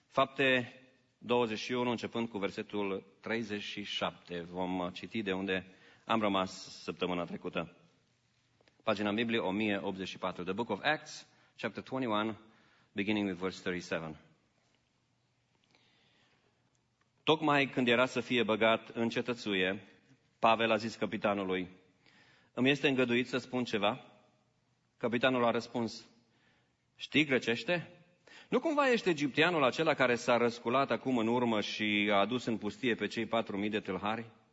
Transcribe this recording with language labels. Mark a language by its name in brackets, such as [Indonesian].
[Romanian] Fapte 21, începând cu versetul 37. Vom citi de unde am rămas săptămâna trecută. Pagina Biblie 1084. [English] The Book of Acts, chapter 21, beginning with verse 37. [Romanian] Tocmai când era să fie băgat în cetățuie, Pavel a zis căpitanului, îmi este îngăduit să spun ceva? Capitanul a răspuns, știi grecește? Nu cumva ești egipteanul acela care s-a răsculat acum în urmă și a adus în pustie pe cei 4.000 de tâlhari?